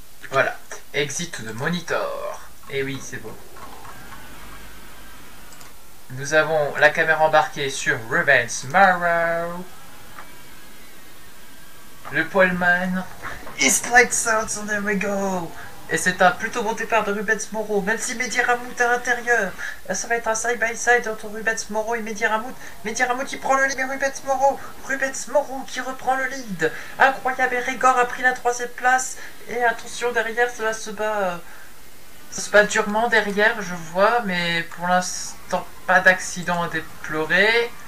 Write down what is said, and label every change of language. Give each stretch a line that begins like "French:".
French: Voilà. Exit de monitor. Eh oui, c'est bon. Nous avons la caméra embarquée sur Rubens Morrow. Le poleman.
English: East Lights Out, and there we go.
French: Et c'est un plutôt bon départ de Rubens Morrow, même si Mehdi Ramoud à l'intérieur. Ça va être un side by side entre Rubens Morrow et Mehdi Ramoud. Mehdi Ramoud qui prend le lead, mais Rubens Morrow. Rubens Morrow qui reprend le lead. Incroyable, et Rigor a pris la troisième place. Et attention, derrière, cela se bat. Ça se bat durement derrière, je vois, mais pour l'instant, pas d'accident à déplorer.